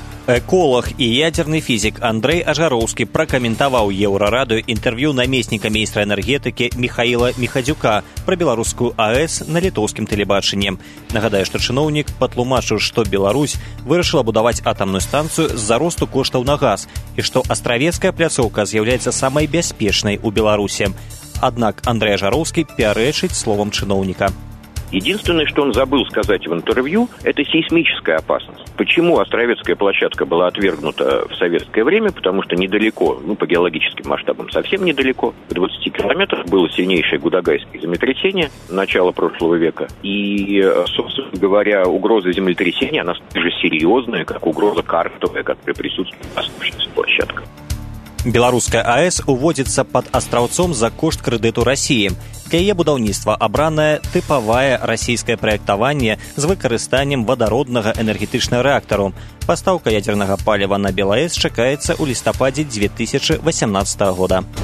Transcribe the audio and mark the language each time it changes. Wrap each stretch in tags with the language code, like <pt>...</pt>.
<be>Эколог і ядерны фізік Андрэй Ажароўскі пракаментаваў Еўрарадыё інтэрв'ю намесніка міністра энергетыкі Міхаіла Міхадзюка пра беларускую АЭС на літоўскім тэлебачанні. Нагадаю, што чыноўнік патлумачыў, што Беларусь вырашыла будаваць атамную станцыю з-за росту коштаў на газ і што астравецкая пляцоўка з'яўляецца самай бяспечнай у Беларусі. Аднак Андрэй Ажароўскі пярэчыць словам чыноўніка.</be> <ru>Единственное, что он забыл сказать в интервью, это сейсмическая опасность. Почему Островецкая площадка была отвергнута в советское время? Потому что недалеко, ну, по геологическим масштабам совсем недалеко, в 20 километрах было сильнейшее гудагайское землетрясение начала прошлого века. И, собственно говоря, угроза землетрясения, она столь же серьезная, как угроза карстовая, как при присутствии Островецкой площадки.</ru> <be>Беларуская АЭС уводзіцца пад астраўцом за кошт крэдыту Расіі. Для яе будаўніцтва абранае тыпавае расійскае праектаванне з выкарыстаннем вадароднага энергетычнага рэактару. Пастаўка ядзернага паліва на БелАЭС чакаецца ў лістападзе 2018 года.</be>